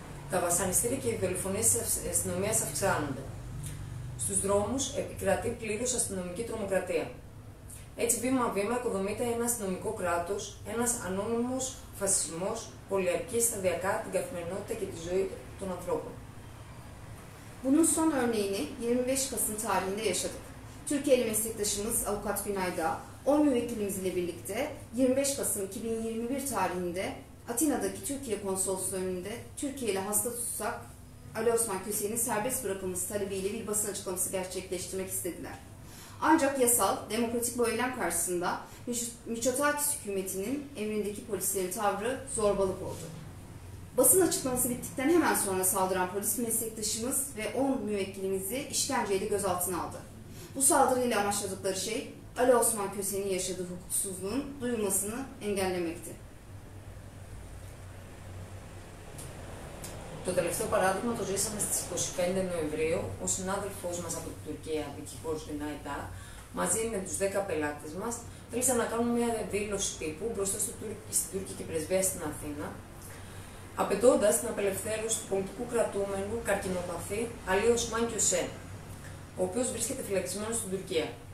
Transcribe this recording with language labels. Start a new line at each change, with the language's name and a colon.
Greek: Τα βασανιστήρια και οι δολοφονίες της αστυνομίας αυξάνονται. Στους δρόμους επικρατεί πλήρως αστυνομική τρομοκρατία. Έτσι βήμα-βήμα οικοδομείται ένα αστυνομικό κράτος, ένας ανώνυμος φασισμός πολιαρχεί σταδιακά την καθημερινότητα και τη ζωή των ανθρώπων.
Turkish: Bunun son örneğini 25 Kasım tarihinde yaşadık. Türkiye'li meslektaşımız Avukat Günay Dağ, 10 müvekkilimiz ile birlikte 25 Kasım 2021 tarihinde Atina'daki Türkiye Konsolosluğu önünde Türkiye'li hasta tutsak Ali Osman Köse'nin serbest bırakılması talebiyle bir basın açıklaması gerçekleştirmek istediler. Ancak yasal, demokratik bu eylem karşısında Mitsotakis hükümetinin emrindeki polislerin tavrı zorbalık oldu. Basın açıklaması bittikten hemen sonra saldıran polis meslektaşımız ve 10 müvekkilimizi işkenceyle gözaltına aldı. Bu saldırıyla amaçladıkları şey, Ali Osman Köse'nin yaşadığı hukuksuzluğun duyulmasını engellemekti.
Greek: Το τελευταίο παράδειγμα το ζήσαμε στις 25 Νοεμβρίου, ο συνάδελφός μας από την Τουρκία, δικηγόρος Γκινάι Ντά, μαζί με τους 10 πελάτες μας, θέλησαν να κάνουν μια δήλωση τύπου μπροστά στην Τουρκική Πρεσβεία στην Αθήνα, απαιτώντας την απελευθέρωση του πολιτικού κρατούμενου καρκινοπαθή Αλί Οσμάν Κιωσέ, ο οποίος βρίσκεται φυλακισμένος στην Τουρκία.